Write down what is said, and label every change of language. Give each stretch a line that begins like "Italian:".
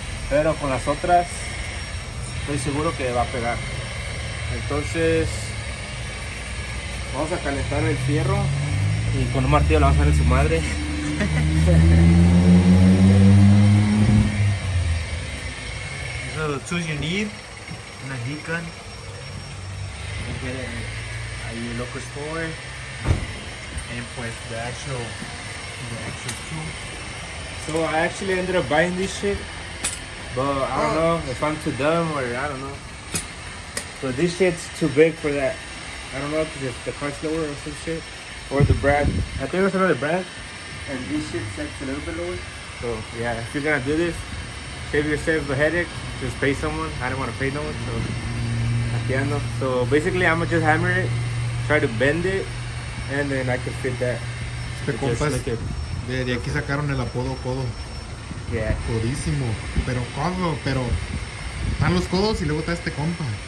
Spanish: Pero con las otras, estoy seguro que va a pegar. Entonces, vamos a calentar el fierro y con un martillo le vamos a dar a su madre.
English: These are the tools you need and a heat gun. You can get it at your local store. And pues the actual tool. So I actually ended up buying this shit, but I don't know if I'm too dumb or I don't know. So this shit's too big for that. I don't know if it's the car slower or some shit. Or the brad. I think it's another brad. And this shit sets a little bit lower. So yeah, if you're gonna do this, save yourself a headache. Just pay someone. I don't want to pay no one. So
Spanish: aquí ando.
English: So basically, I'm gonna just hammer it, try to bend it, and then I can fit that.
Spanish: Este compas, de aquí sacaron el apodo codo.
English: Yeah.
Spanish: Codísimo. Pero codo, pero... Están los codos y luego está este compa.